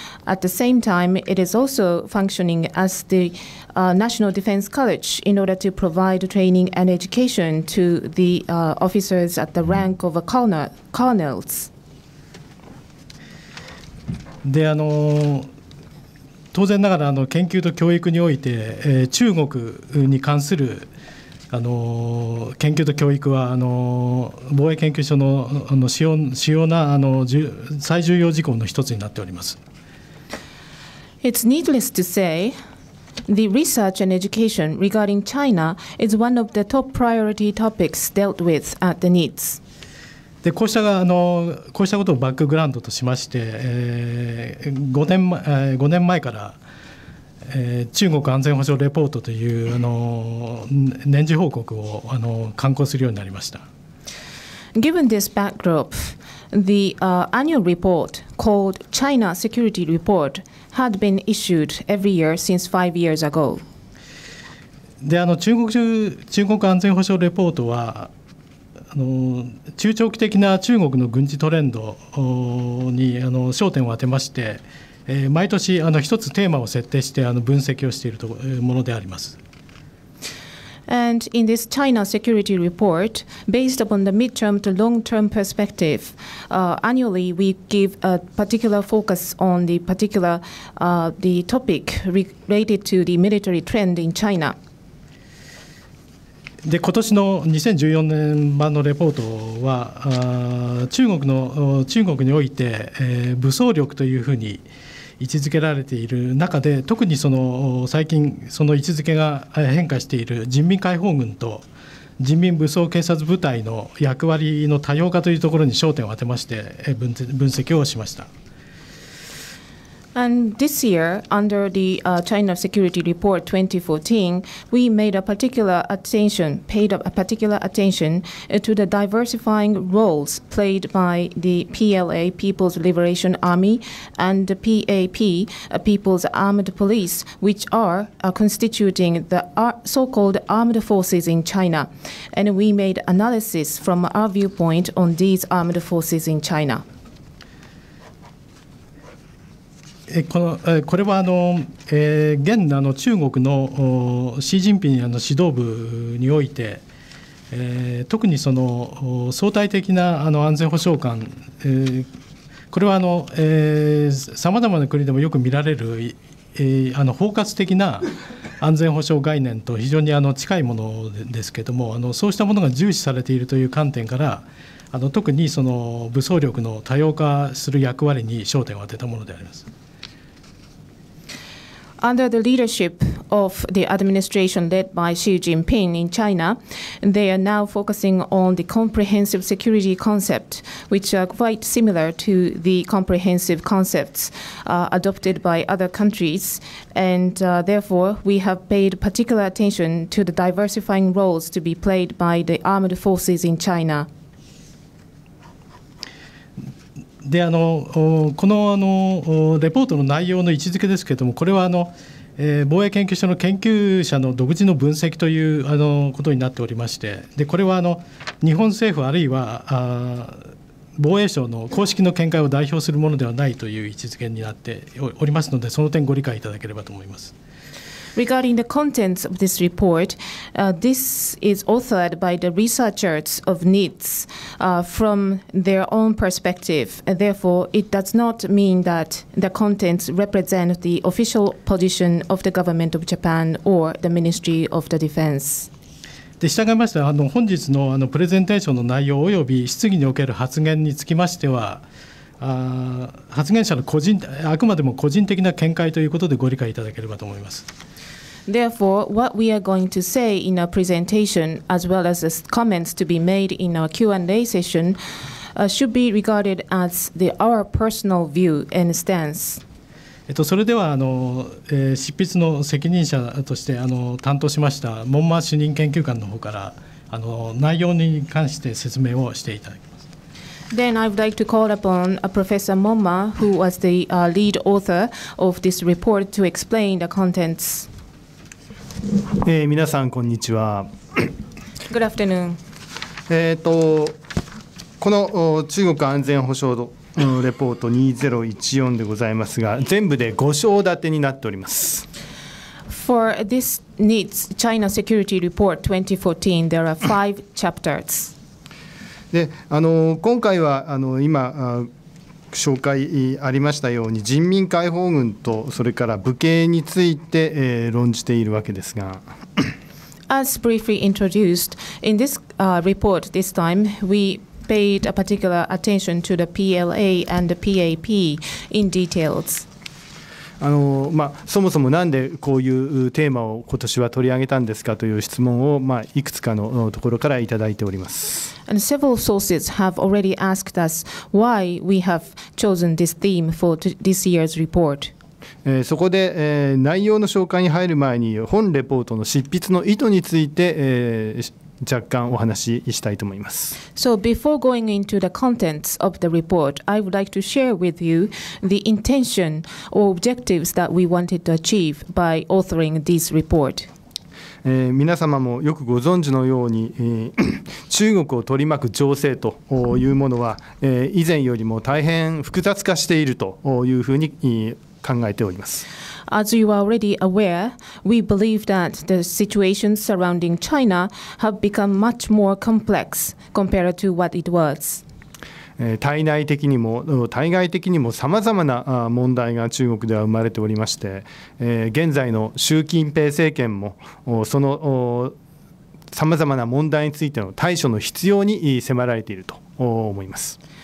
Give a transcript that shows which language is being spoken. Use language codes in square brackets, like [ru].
[en] At the same time, it is also functioning as the National Defense College in order to provide training and education to the officers at the rank of a colonels. [ja] で、当然ながら研究と教育において中国に関する研究と教育は防衛研究所の主要な最重要事項の一つになっております。 [en] It's needless to say the research and education regarding China is one of the top priority topics dealt with at the NIDS. [ja] で、こうしたことをバックグラウンドとしまして、5年前から中国安全保障レポートという年次報告を刊行するようになりました。 [en] Given this backdrop, the annual report called China Security Report had been issued every year since 5 years ago. [ja] で、中国安全保障レポートは中長期的な中国の軍事トレンドに焦点を当てまして。毎年一つテーマを設定して分析をしているものであります。 [en] And in this China security report, based upon the midterm to long-term perspective, annually we give a particular focus on the particular the topic related to the military trend in China. [ja] で今年の2014年版のレポートは中国において、武装力というふうに位置づけられている中で特にその最近その位置づけが変化している人民解放軍と人民武装警察部隊の役割の多様化というところに焦点を当てまして分析をしました。 [en] And this year, under the China Security Report 2014, we made a particular attention, paid a particular attention to the diversifying roles played by the PLA, People's Liberation Army, and the PAP, People's Armed Police, which are constituting the so-called armed forces in China. And we made analysis from our viewpoint on these armed forces in China. [ja] これは現中国のシー・ジンピン指導部において特にその相対的な安全保障観これはさまざまな国でもよく見られる包括的な安全保障概念と非常に近いものですけれどもそうしたものが重視されているという観点から特にその武装力の多様化する役割に焦点を当てたものであります。 [en] Under the leadership of the administration led by Xi Jinping in China, they are now focusing on the comprehensive security concept, which are quite similar to the comprehensive concepts adopted by other countries. And therefore, we have paid particular attention to the diversifying roles to be played by the armed forces in China. [ja] でこ のレポートの内容の位置づけですけれども、これは防衛研究所の研究者の独自の分析ということになっておりまして、でこれは日本政府あるいは防衛省の公式の見解を代表するものではないという位置づけになっておりますので、その点ご理解いただければと思います。 [en] Regarding the contents of this report, this is authored by the researchers of NIDS from their own perspective. Therefore, it does not mean that the contents represent the official position of the government of Japan or the Ministry of the Defense. [ja] で、従いまして、本日の、プレゼンテーションの内容及び質疑における発言につきましては、発言者の個人、あくまでも個人的な見解ということでご理解いただければと思います。 [en] Therefore, what we are going to say in our presentation, as well as the comments to be made in our Q&A session, should be regarded as our personal view and stance. [ja] それでは執筆の責任者として担当しましたモンマ主任研究官の方から内容に関して説明をしていただきます。 [en] Then I would like to call upon Professor Momma, who was the lead author of this report, to explain the contents. [ja] 皆さんこんにちは。 [en] Good afternoon. [ja] この中国安全保障レポート2014でございますが、全部で5章立てになっております。 [en] For this NIDS China Security Report 2014, there are five chapters. [ja] で、今回は今紹介ありましたように人民解放軍とそれから武警について論じているわけですが、 [en] As briefly introduced in this report, this time we paid a particular attention to the PLA and the PAP in details. [ja] そもそもなんでこういうテーマを今年は取り上げたんですかという質問を、いくつかのところからいただいております。 [en] And several sources have already asked us why we have chosen this theme for this year's report. [ja] そこで、内容の紹介に入る前に本レポートの執筆の意図について、若干お話ししたいと思います。 [en] So before going into the contents of the report, I would like to share with you the intention or objectives that we wanted to achieve by authoring this report. [ja] 皆様もよくご存知のように中国を取り巻く情勢というものは以前よりも大変複雑化しているというふうに考えております。 [en] As you are already aware, we believe that the situations surrounding China have become much more complex compared to what it was. [ja] 対内的にも対外的にもさまざまな問題が中国では生まれておりまして、現在の習近平政権もそのさまざまな問題についての対処の必要に迫られていると思います。